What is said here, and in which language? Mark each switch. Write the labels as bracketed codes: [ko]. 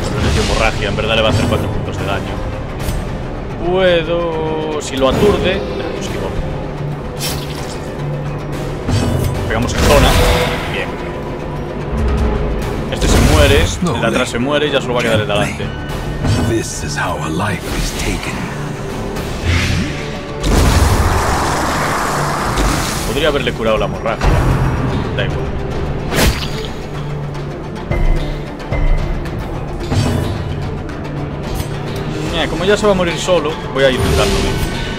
[es] Es hemorragia, en verdad le va a hacer 4 puntos de daño. Puedo. Si lo aturde. Pegamos en zona. Bien. Este se mueve. muere, el de atrás se muere y ya solo va a quedar el de adelante. [en] This is how a life is taken. [es] Podría haberle curado la hemorragia. Da igual. Mira, como ya se va a morir solo, voy a ir buscándome.